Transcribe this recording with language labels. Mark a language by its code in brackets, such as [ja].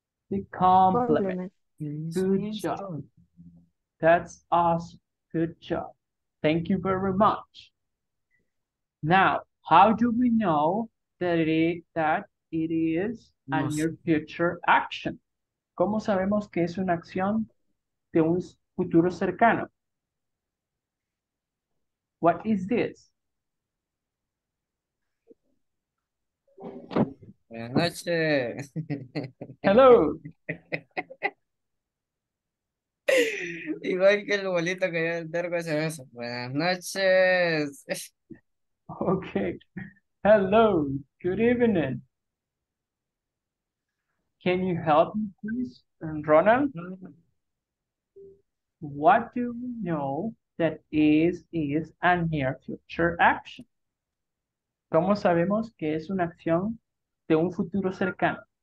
[en] The compliment. Good job. That's awesome. Good job. Thank you very much. Now, how do we know that it is a near future action? [es] ¿Cómo sabemos que es una acción de un futuro cercano? [en] What is this? [es] Buenas noches. [en] Hello. [es] Igual que el bolito que yo entergo ese beso. Buenas noches. [en] Okay. Hello. Good evening. Can you help me, please? And Ronald? What do we know that is a near future action? [es] ¿Cómo sabemos que es una acción de un futuro cercano?